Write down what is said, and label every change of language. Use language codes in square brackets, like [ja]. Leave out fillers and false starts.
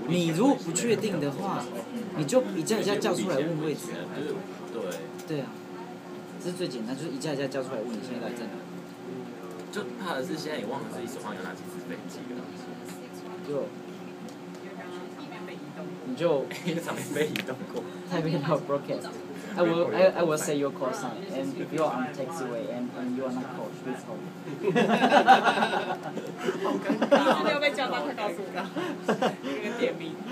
[zh] 你如果不确定的话，你就一家一家叫出来问位置。对。对啊，这是最简单，就是一家一家叫出来问你现在在哪。就怕的是现在也忘了自己手上有哪几只飞机了，你就常被移动过， [en] 太平洋 broadcast， I will say your call sign and if you are on taxiway and you are not called please hold， [zh] 好尴尬，你有被叫到快告诉我，那个点名